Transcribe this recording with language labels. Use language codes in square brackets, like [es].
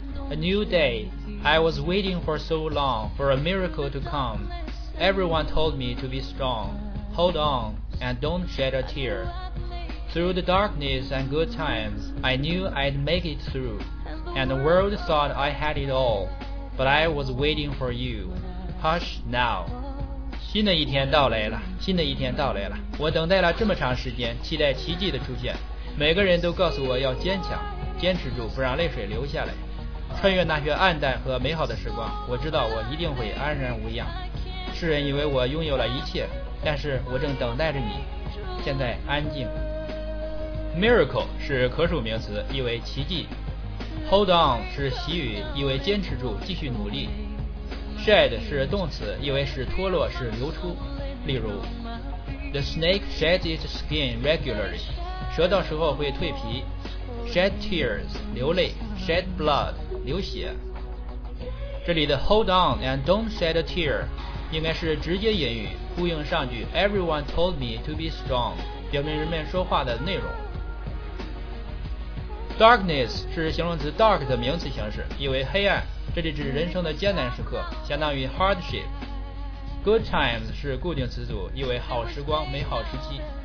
[en] A new day, I was waiting for so long for a miracle to come. Everyone told me to be strong, hold on, and don't shed a tear. Through the darkness and good times, I knew I'd make it through. And the world thought I had it all, but I was waiting for you. Hush now. [zh] 新的一天到来了，新的一天到来了。我等待了这么长时间，期待奇迹的出现。每个人都告诉我要坚强，坚持住，不让泪水流下来。穿越那些暗淡和美好的时光，我知道我一定会安然无恙。世人以为我拥有了一切，但是我正等待着你，现在安静。 Miracle 是可数名词，意为奇迹。Hold on 是习语，意为坚持住，继续努力。 Shed 是动词，意为是脱落，是流出。例如 [en] The snake sheds its skin regularly， [zh] 蛇到时候会蜕皮。 Shed tears 流泪， Shed blood流血。这里的 [en] hold on and don't shed a tear [zh] 应该是直接引语，呼应上句 [en] everyone told me to be strong， [zh] 表明人们说话的内容。 darkness 是形容词 dark 的名词形式，意为黑暗，这里指人生的艰难时刻，相当于 hardship。 good times 是固定词组，意为好时光，美好时期。